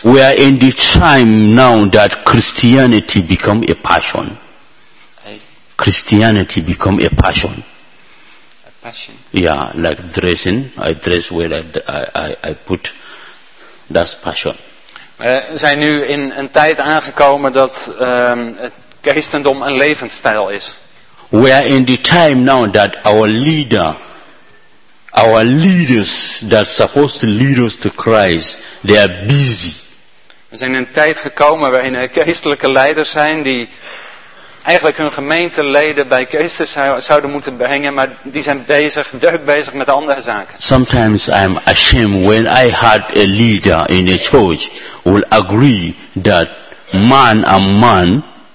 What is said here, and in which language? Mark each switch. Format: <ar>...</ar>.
<en>We are in the time now that Christianity become a passion. Christianity become a passion. A passion. Yeah, like dressing. I dress well. I put. That's passion.</en> <nl>We zijn nu in een tijd aangekomen dat Christendom een levensstijl is.</nl> <en>We are in the time now that our leaders that supposed to lead us to Christ, they are busy.</en> <nl>We zijn in een tijd gekomen waarin geestelijke leiders zijn die eigenlijk hun gemeenteleden bij Christus zouden moeten brengen, maar die zijn bezig, druk bezig met andere zaken.</nl> <en>Sometimes I'm ashamed when I had a leader in a church who agree that man and man.</en>